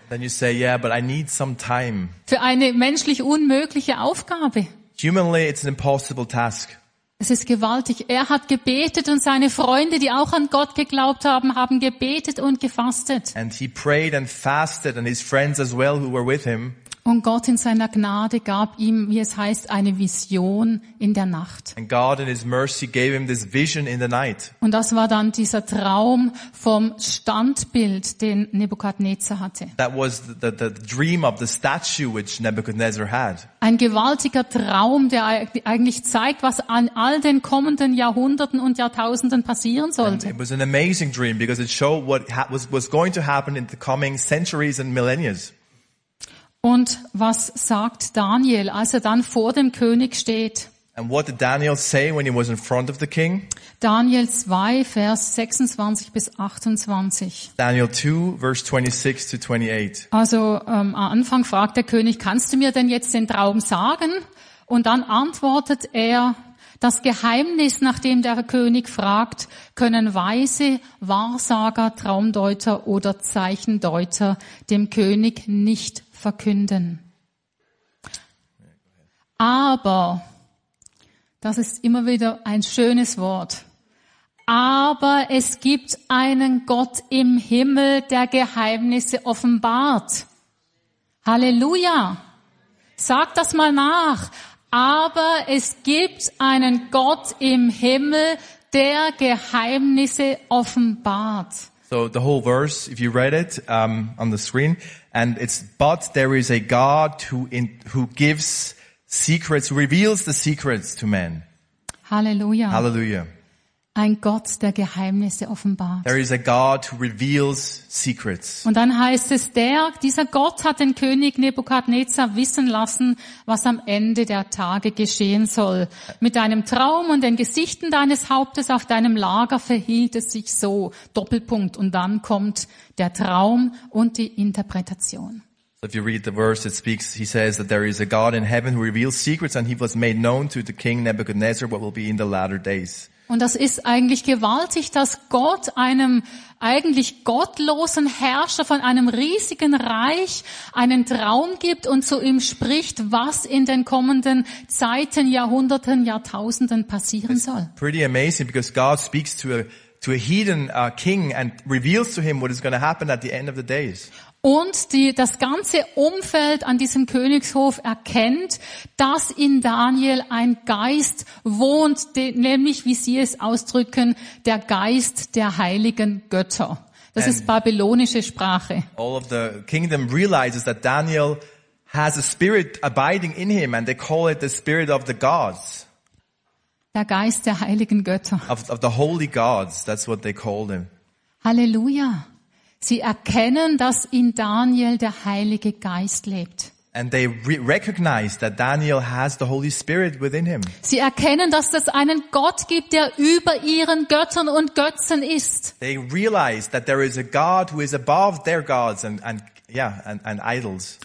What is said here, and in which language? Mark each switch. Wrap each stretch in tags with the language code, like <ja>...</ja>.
<en>Then you say, yeah, but I need some time.</en> <de>Für eine menschlich unmögliche Aufgabe.</de> <en>Humanly, it's an impossible task.</en> <de>Es ist gewaltig. Er hat gebetet und seine Freunde, die auch an Gott geglaubt haben, haben gebetet und gefastet.</de> <en>And he prayed and fasted, and his friends as well who were with him.</en> <de>Und Gott in seiner Gnade gab ihm, wie es heißt, eine Vision in der Nacht.</de> <en>And God in his mercy gave him this vision in the night.</en> <de>Und das war dann dieser Traum vom Standbild, den Nebukadnezar hatte.</de> <en>That was the dream of the statue which Nebuchadnezzar had.</en> <de>Ein gewaltiger Traum, der eigentlich zeigt, was an all den kommenden Jahrhunderten und Jahrtausenden passieren sollte.</de> <en>It was an amazing dream because it showed what was going to happen in the coming centuries and millennia.</en> <de>Und was sagt Daniel, als er dann vor dem König steht?</de> <en>And what did Daniel say when he was in front of the king?</en> <de>Daniel 2, Vers 26 bis 28.</de> <en>Daniel 2, verse 26 to 28.</en> <de>Also am Anfang fragt der König, kannst du mir denn jetzt den Traum sagen? Und dann antwortet er, das Geheimnis, nachdem der König fragt, können Weise, Wahrsager, Traumdeuter oder Zeichendeuter dem König nicht verkünden. Aber, das ist immer wieder ein schönes Wort, aber es gibt einen Gott im Himmel, der Geheimnisse offenbart. Halleluja! Sag das mal nach. Aber es gibt einen Gott im Himmel, der Geheimnisse offenbart.</de> <en>So the whole verse, if you read it on the screen, and it's, but there is a God who gives secrets, reveals the secrets to men. Halleluja. Halleluja.</en> <de>Ein Gott, der Geheimnisse offenbart.</de> <en>There is a God who reveals secrets.</en> <de>Und dann heißt es, dieser Gott hat den König Nebukadnezar wissen lassen, was am Ende der Tage geschehen soll. Mit deinem Traum und den Gesichten deines Hauptes auf deinem Lager verhielt es sich so. Doppelpunkt. Und dann kommt der Traum und die Interpretation.</de> <en>So if you read the verse, it speaks, he says that there is a God in heaven who reveals secrets and he was made known to the king Nebuchadnezzar what will be in the latter days.</en> <de>Und das ist eigentlich gewaltig, dass Gott einem eigentlich gottlosen Herrscher von einem riesigen Reich einen Traum gibt und zu ihm spricht, was in den kommenden Zeiten, Jahrhunderten, Jahrtausenden passieren soll.</de> <en>It's pretty amazing because God speaks to a hidden king and reveals to him what is going to happen at the end of the days.</en> <de>Und das ganze Umfeld an diesem Königshof erkennt, dass in Daniel ein Geist wohnt, nämlich, wie sie es ausdrücken, der Geist der heiligen Götter. Das ist babylonische Sprache.</de> <en>All of the kingdom realizes that Daniel has a spirit abiding in him and they call it the spirit of the gods.</en> <de>Der Geist der heiligen Götter.</de> <en>Of the holy gods, that's what they call them. Halleluja.</en> <de>Sie erkennen, dass in Daniel der Heilige Geist lebt.</de> <en>And they recognize that Daniel has the Holy Spirit within him.</en> <de>Sie erkennen, dass es einen Gott gibt, der über ihren Göttern und Götzen ist.</de> <en>They realize that there is a God who is above their gods and idols.</en>